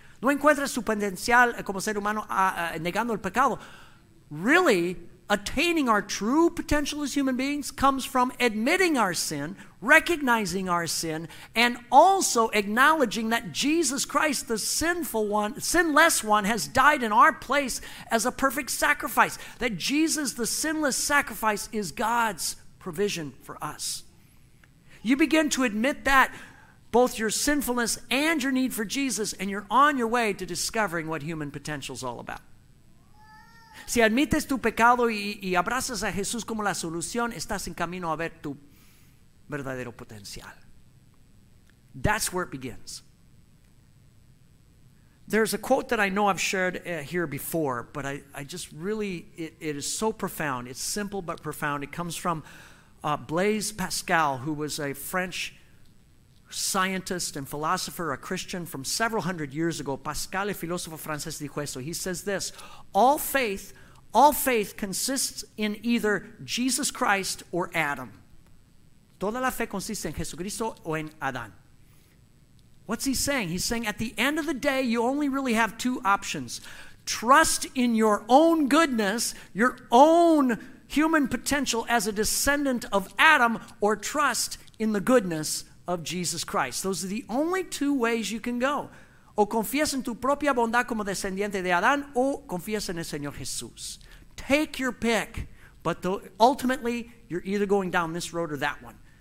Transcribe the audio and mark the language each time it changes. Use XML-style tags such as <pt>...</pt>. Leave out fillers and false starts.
<es>No encuentras tu potencial como ser humano negando el pecado.</es> <en>Really, attaining our true potential as human beings comes from admitting our sin, recognizing our sin, and also acknowledging that Jesus Christ, the sinful one, sinless one, has died in our place as a perfect sacrifice. That Jesus, the sinless sacrifice, is God's provision for us. You begin to admit that, both your sinfulness and your need for Jesus, and you're on your way to discovering what human potential is all about.</en> <es>Si admites tu pecado y abrazas a Jesús como la solución, estás en camino a ver tu verdadero potencial.</es> <en>That's where it begins. There's a quote that I know I've shared here before, but it is so profound. It's simple but profound. It comes from Blaise Pascal, who was a French scientist and philosopher, a Christian from several hundred years ago.</en> <es>Pascal, el filósofo francés, dijo esto.</es> <en>He says this: All faith consists in either Jesus Christ or Adam.</en> <es>Toda la fe consiste en Jesucristo o en Adán.</es> <en>What's he saying? He's saying at the end of the day, you only really have two options. Trust in your own goodness, your own human potential as a descendant of Adam, or trust in the goodness of Jesus Christ. Those are the only two ways you can go.</en> <es>O confías en tu propia bondad como descendiente de Adán, o confías en el Señor Jesús.</es> <en>Take your pick, but ultimately, you're either going down this road or that one.</en>